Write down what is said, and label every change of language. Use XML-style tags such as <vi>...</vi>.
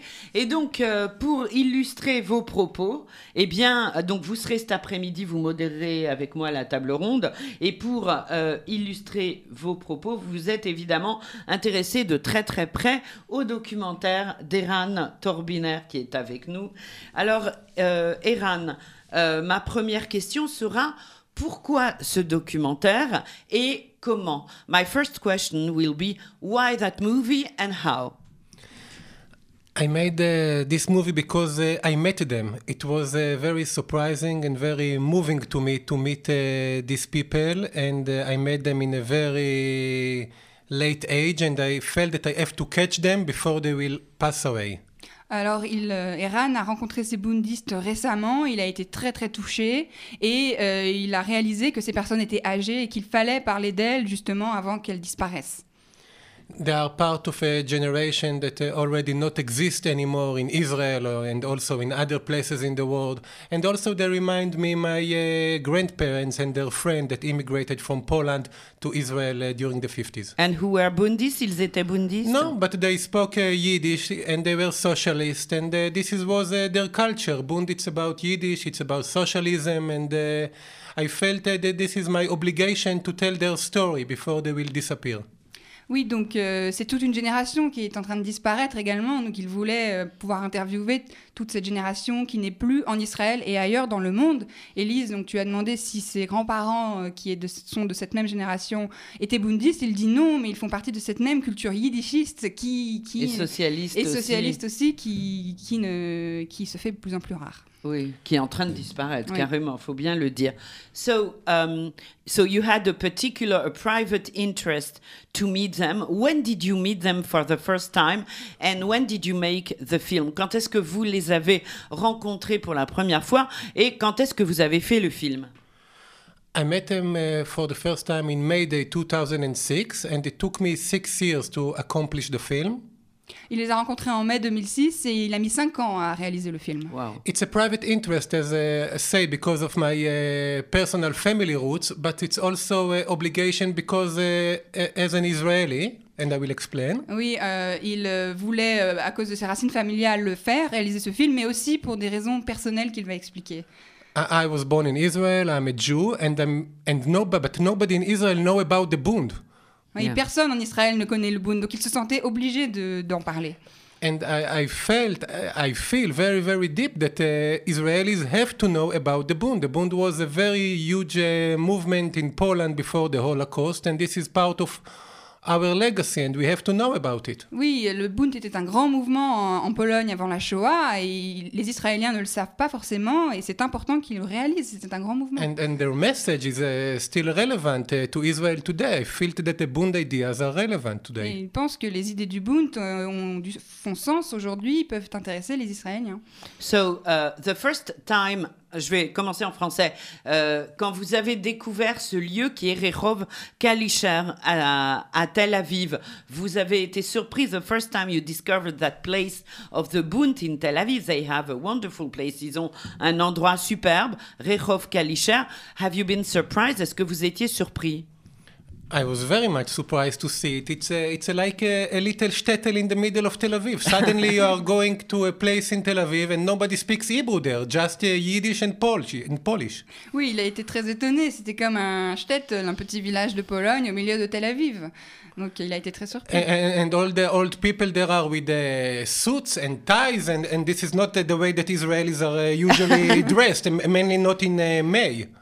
<fr>Voilà. Et donc, pour illustrer vos propos, eh bien, donc vous serez cet après-midi, vous modérerez avec moi la table ronde, et pour illustrer vos propos, vous êtes évidemment intéressé de très très près au documentaire d'Eran Torbiner qui est avec nous. Alors, Eran, ma première question sera: pourquoi ce documentaire et comment?</fr> <en>My first question will be: why that movie and how? I made this movie because I met them. It was very surprising and very moving to me to meet these people, and I met them in a very late age, and I felt that I have to catch them before they will pass away.</en> <fr>Alors, Eran a rencontré ces bundistes récemment, il a été très très touché et il a réalisé que ces personnes étaient âgées et qu'il fallait parler d'elles justement avant qu'elles disparaissent.</fr> <en>They are part of a generation that already not exist anymore in Israel and also in other places in the world. And also they remind me my grandparents and their friend that immigrated from Poland to Israel during the 50s. And who were Bundists?</en> <fr>Ils étaient Bundists?</fr> <en>No, but they spoke Yiddish and they were socialists. And this was their culture. Bund, it's about Yiddish, it's about socialism. And I felt that this is my obligation to tell their story before they will disappear.</en> <fr>Oui, donc c'est toute une génération qui est en train de disparaître également. Donc il voulait pouvoir interviewer toute cette génération qui n'est plus en Israël et ailleurs dans le monde. Élise, donc tu as demandé si ses grands-parents sont de cette même génération étaient bundistes. Il dit non, mais ils font partie de cette même culture yiddishiste qui et socialiste aussi. Et socialiste aussi, qui se fait de plus en plus rare. Oui, qui est en train de disparaître, oui. Carrément, il faut bien le dire.</fr> <en>So, so you had a particular, a private interest to meet them. When did you meet them for the first time? And when did you make the film?</en> <fr>Quand est-ce que vous les avez rencontrés pour la première fois? Et quand est-ce que vous avez fait le film?</fr> <en>I met them for the first time in May Day 2006, and it took me 6 years to accomplish the film.</en> <fr>Il les a rencontrés en mai 2006 et il a mis 5 ans à réaliser le film.</fr> <en>Wow. It's a private interest, as I say, because of my personal family roots, but it's also an obligation because as an Israeli, and I will explain.</en> <fr>Oui, il voulait, à cause de ses racines familiales, le faire, réaliser ce film, mais aussi pour des raisons personnelles qu'il va expliquer.</fr> <en>I was born in Israel, I'm a Jew, but nobody in Israel knows about the Bund. Oui, yeah.</en> <fr>Personne en Israël ne connaît le Bund, donc il se sentait obligé d'en parler.</fr> <en>And I feel very, very deep that Israelis have to know about the Bund. The Bund was a very huge movement in Poland before the Holocaust, and this is part of our legacy, and we have to know about it.</en> <fr>Oui, le Bund était un grand mouvement en Pologne avant la Shoah, et les Israéliens ne le savent pas forcément, et c'est important qu'ils le réalisent, c'était un grand mouvement.</fr> <en>And their message is still relevant to Israel today. I feel that the Bund ideas are relevant today.</en> <fr>Et ils pensent que les idées du Bund font sens aujourd'hui, peuvent intéresser les Israéliens.</fr> <en>So, the first time...</en> <fr>Je vais commencer en français. Quand vous avez découvert ce lieu qui est Rehov Kalischer à Tel Aviv, vous avez été surpris</fr> <en>the first time you discovered that place of the Bund in Tel Aviv. They have a wonderful place.</en> <fr>Ils ont un endroit superbe, Rehov Kalischer.</fr> <en>Have you been surprised?</en> <fr>Est-ce que vous étiez surpris?</fr> <en>I was very much surprised to see it. It's like a little shtetl in the middle of Tel Aviv. Suddenly you are going to a place in Tel Aviv and nobody speaks Hebrew there, just Yiddish and Polish.</en> <fr>Oui, il a été très étonné. C'était comme un shtetl, un petit village de Pologne au milieu de Tel Aviv. Donc il a été très surpris.</fr> <en>And all the old people there are with suits and ties and this is not the way that Israelis are usually dressed, mainly not in May.</en>